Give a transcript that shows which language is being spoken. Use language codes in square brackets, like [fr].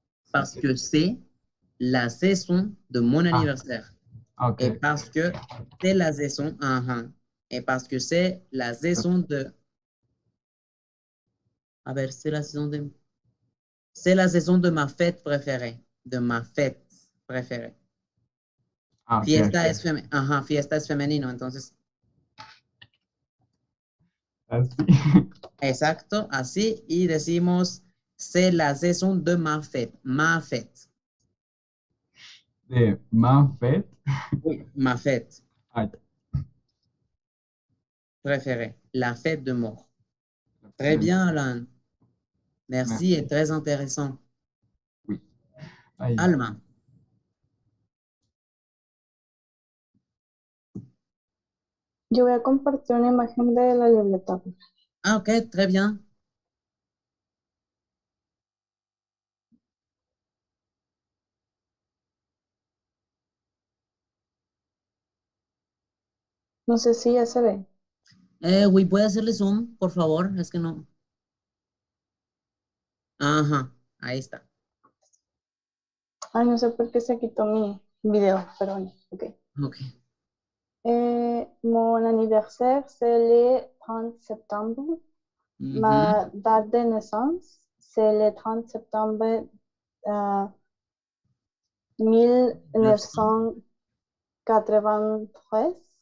[fr] Parce que c'est la saison de mon anniversaire. Ah. Ok. Et parce que c'est la saison. Et parce que c'est la saison de. [es] A ver, [fr] c'est la saison de. C'est la saison de ma fête préférée. De ma fête préférée. [es] Ah, fiesta, okay, es femenino. Ajá, fiesta es femenino, entonces. Así. Exacto, así. Y decimos, [fr] c'est la saison de ma fête. Ma fête. De ma fête. Oui, ma fête. Ah. Préféré. La fête de mort. Très bien, Alan. Merci, merci. Et très intéressant. Oui. Aïe. Alma. [es] Yo voy a compartir una imagen de la bibliotecaria. [fr] Ah, ok, très bien. [es] No sé si ya se ve. Oui, ¿puede hacerle zoom, por favor? Es que no. Ajá, ahí está. Ay, no sé por qué se quitó mi video, pero bueno, ok. Ok. [fr] Mon anniversaire, c'est le 30 septembre. Ma date de naissance, c'est le 30 septembre 1993.